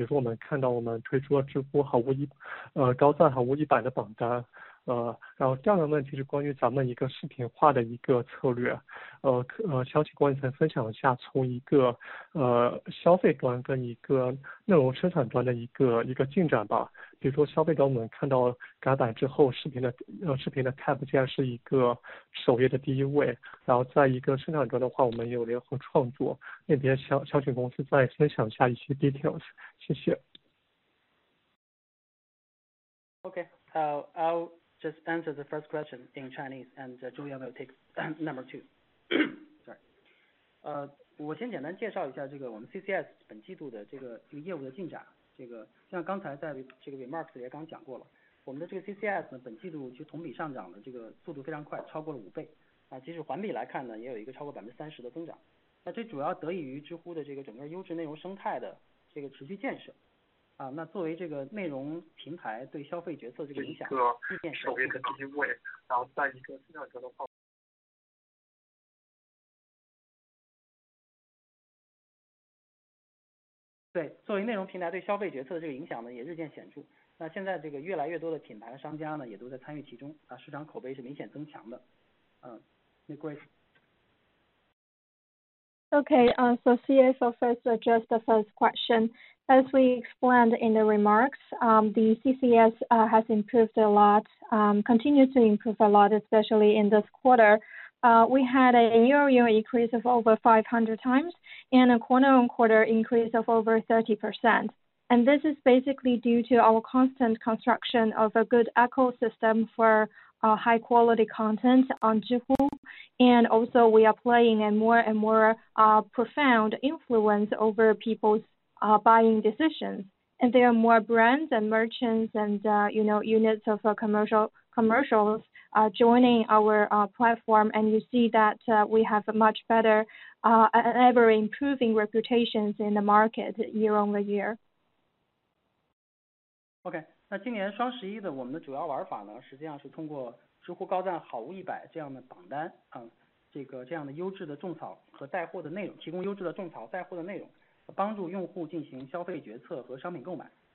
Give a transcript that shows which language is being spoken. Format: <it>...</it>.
<zh>比如说我们看到我们推出了知乎好物一，高赞好物一百的榜单，然后第二个问题是关于咱们一个视频化的一个策略，想请管理层分享一下从一个消费端跟一个内容生产端的一个进展吧。比如说消费端我们看到改版之后视频的 tab 竟然是一个首页的第一位，然后在一个生产端的话我们有联合创作那边，小请公司再分享一下一些 details， 谢谢。</zh> <en>OK， I'll just answer the first question in Chinese and Julia will take number two. Sorry.</en> <zh>我先简单介绍一下这个我们 CCS 本季度的这个业务的进展。这个像刚才在这个 remarks 也刚讲过了，我们的这个 CCS 呢，本季度其实同比上涨的这个速度非常快，超过了五倍啊。即使环比来看呢，也有一个超过30%的增长。那这主要得益于知乎的这个整个优质内容生态的这个持续建设啊。那作为这个内容平台对消费决策这个影响，一个首页的第一位，然后在一个市场上的话。对，作为内容平台对消费决策的这个影响呢，也日渐显著。那现在这个越来越多的品牌商家呢，也都在参与其中啊，市场口碑是明显增强的。那 Grace。</zh> <en>Okay, so CS office address the first question. As we explained in the remarks, the CCS has improved a lot, continues to improve a lot, especially in this quarter. We had a year-on-year increase of over 500 times and a quarter-on-quarter increase of over 30%. And this is basically due to our constant construction of a good ecosystem for high-quality content on Zhihu. And also we are playing a more and more profound influence over people's buying decisions. And there are more brands and merchants and units of commercials are joining our platform, and you see that we have a much better and ever improving reputations in the market year over year.</en> <zh>Okay, 那今年双十一的我们的主要玩法呢，实际上是通过知乎高赞好物一百这样的榜单，这样的优质的种草和带货的内容，提供优质的种草带货的内容，帮助用户进行消费决策和商品购买。</zh>